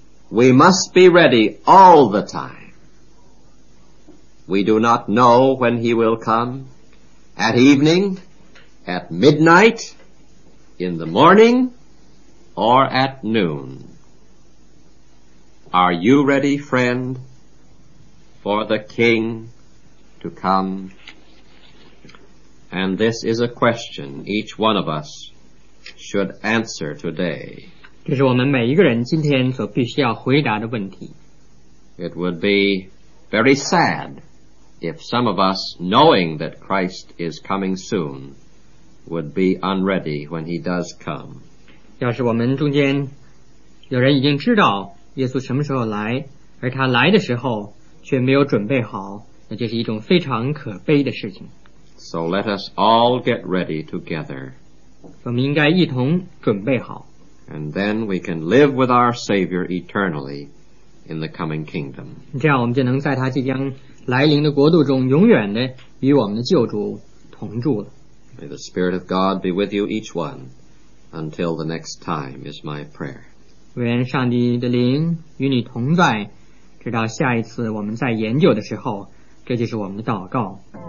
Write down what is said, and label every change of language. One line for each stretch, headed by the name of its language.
English: We must be ready all the time. We do not know when he will come, at evening, at midnight, in the morning, or at noon. Are you ready, friend, for the King to come? And this is a question each one of us should answer today.
Chinese: 这是我们每一个人今天所必须要回答的问题。
English: It would be very sad if some of us, knowing that Christ is coming soon, would be unready when he does come.
Chinese: 要是我们中间有人已经知道耶稣什么时候来，而他来的时候却没有准备好，那就是一种非常可悲的事情。
English: So let us all get ready together.
Chinese: 我们应该一同准备好。
English: And then we can live with our Savior eternally in the coming kingdom.
Chinese: 这样我们就能在他即将来临的国度中永远的与我们的救主同住了。
English: May the Spirit of God be with you each one until the next time is my prayer.
Chinese: 愿上帝的灵与你同在，直到下一次我们再研究的时候，这就是我们的祷告。